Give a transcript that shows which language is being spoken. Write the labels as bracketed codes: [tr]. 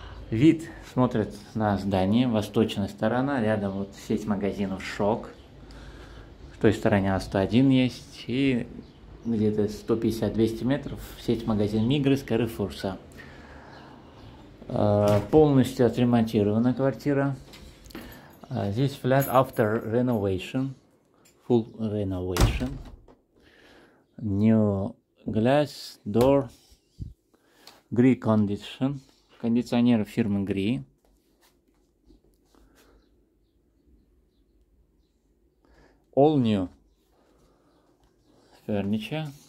[ru] Вид смотрит на здание, восточная сторона, рядом вот сеть магазинов Шок. В той стороне 101 есть, и где-то 150-200 метров сеть магазин Мигры с Карифурса. Полностью отремонтирована квартира. Здесь [en] flat after renovation, full renovation. New glass door. [ru] Гри кондишн, кондиционер фирмы Гри. [en] All new furniture.